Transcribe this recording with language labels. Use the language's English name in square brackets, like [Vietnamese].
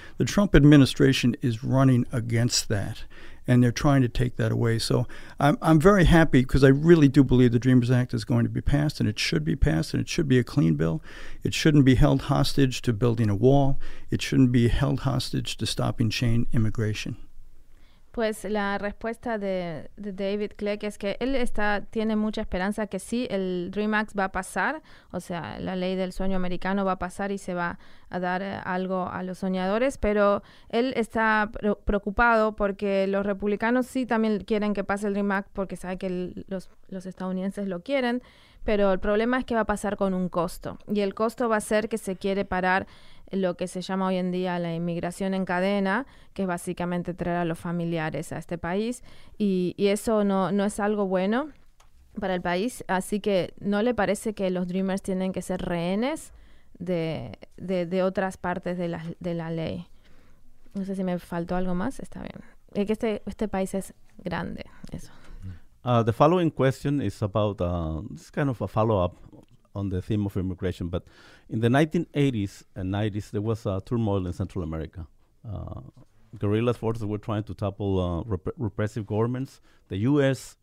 [English] The Trump administration is running against that, and they're trying to take that away. So I'm very happy because I really do believe the Dreamers Act is going to be passed, and it should be passed, and it should be a clean bill. It shouldn't be held hostage to building a wall. It shouldn't be held hostage to stopping chain immigration. [Spanish] Pues la respuesta de David Clegg es que él está tiene mucha esperanza que sí, el Dream Act va a pasar, o sea, la ley del sueño americano va a pasar y se va a dar algo a los soñadores, pero él está preocupado porque los republicanos sí también quieren que pase el Dream Act porque sabe que los estadounidenses lo quieren, pero el problema es que va a pasar con un costo, y el costo va a ser que se quiere parar lo que se llama hoy en día la inmigración en cadena, que es básicamente traer a los familiares a este país, y eso no es algo bueno para el país, así que no le parece que los Dreamers tienen que ser rehenes de otras partes de la ley. No sé si me faltó algo más, está bien. Es que este país es grande, eso. [English] The following question is about, it's kind of a follow-up on the theme of immigration, but in the 1980s and 90s, there was a turmoil in Central America. Guerrilla forces were trying to topple repressive governments. The U.S.